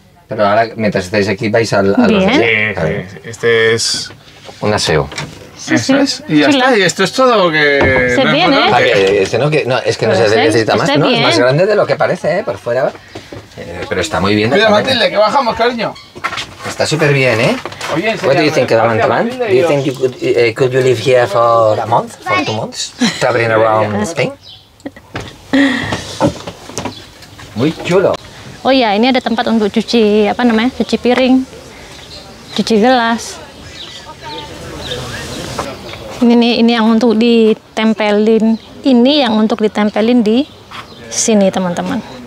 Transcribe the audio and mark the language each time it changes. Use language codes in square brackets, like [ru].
[es] Pero ahora, mientras estáis aquí, vais al... Bien. Los... Sí, claro. Este es... Un aseo. Sí, eso sí. Es. Y ya está. Y esto es todo lo que... Se no viene, ¿eh? No se necesita más. No, es más grande de lo que parece, ¿eh? Por fuera. Pero está muy bien. Mira, Matilde, que bajamos, cariño. Está súper bien, ¿eh? Oye, [en] what do you think about Matilde, man? Do you think you could you live here for a month? For 2 months? Traveling around Spain? [es] Muy chulo. [id] Oh ya, ini ada tempat untuk cuci apa namanya? Cuci piring, cuci gelas. Ini yang untuk ditempelin. Ini yang untuk ditempelin di sini, teman-teman.